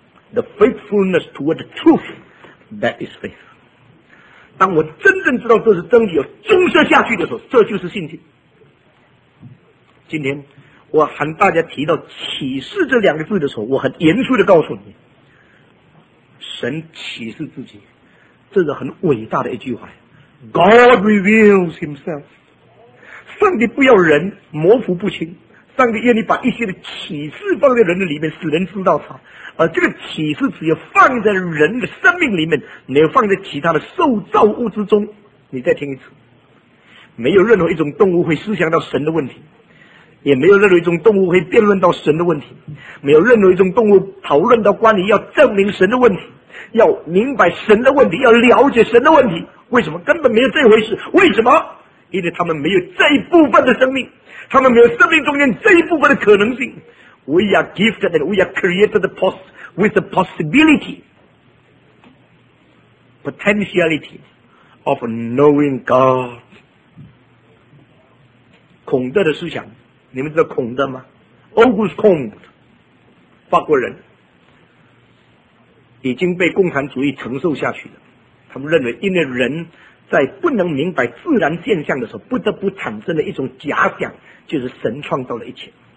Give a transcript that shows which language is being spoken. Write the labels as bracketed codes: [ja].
[en] The faithfulness toward the truth that is faith。 [zh] 当我真正知道这是真理，要忠实下去的时候，这就是信心。今天我喊大家提到启示这两个字的时候，我很严肃地告诉你，神启示自己，这是很伟大的一句话。 [en] God reveals himself， [zh] 上帝不要人模糊不清，上帝愿意把一些的启示放在人的里面，使人知道他。而这个启示只有放在人的生命里面，没有放在其他的受造物之中。你再听一次，没有任何一种动物会思想到神的问题，也没有任何一种动物会辩论到神的问题，没有任何一种动物讨论到关于要证明神的问题，要明白神的问题，要了解神的问题，为什么？根本没有这回事。为什么？因为他们没有这一部分的生命，他们没有生命中间这一部分的可能性。 [en] We are gifted and we are created with the possibility potentiality of knowing God. [zh] 孔德的思想，你们知道孔德吗？August Comte， 法国人，已经被共产主义承受下去了。他们认为，因为人在不能明白自然现象的时候，不得不产生了一种假想，就是神创造了一切。